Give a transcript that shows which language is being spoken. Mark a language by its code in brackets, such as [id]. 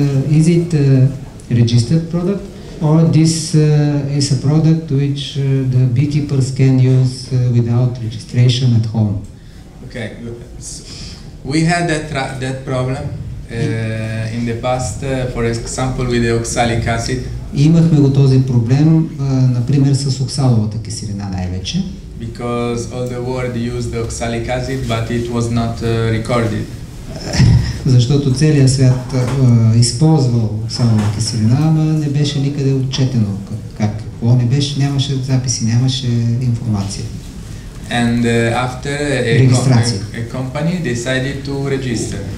[en] Is it a registered product or this is a product which the beekeepers can use without registration at home? Okay, so we had that problem in the past, for example with the oxalic acid. [bg] Имахме го този проблем, например с оксаловата киселина най-вече. [en] Because all the world used oxalic acid, but it was not recorded. [bg] Защото целият свят използвал оксалова киселина, но не беше никъде отчетено как. Какво не беше, нямаше записи, нямаше информация. [en] And after a company decided to register.